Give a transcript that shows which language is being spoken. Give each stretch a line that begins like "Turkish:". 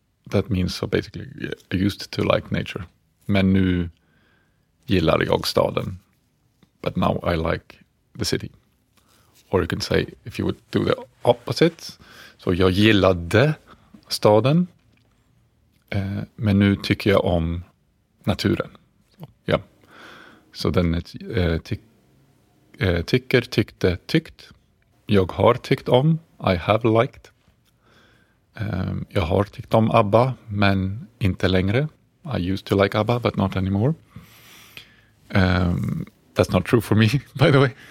English: That means, so basically, I used to like nature.
Swedish: Men nu gillar jag staden.
English: But now I like the city. Or you can say, if you would do the opposite, so
Swedish: jag gillade staden. Men nu tycker jag om naturen.
English: Yeah. So then it's tycker, tyckte, tyckt.
Swedish: Jag har tyckt om,
English: I have liked.
Swedish: Jag har tyckt om ABBA, men inte längre.
English: I used to like ABBA, but not anymore. That's not true for me, by the way.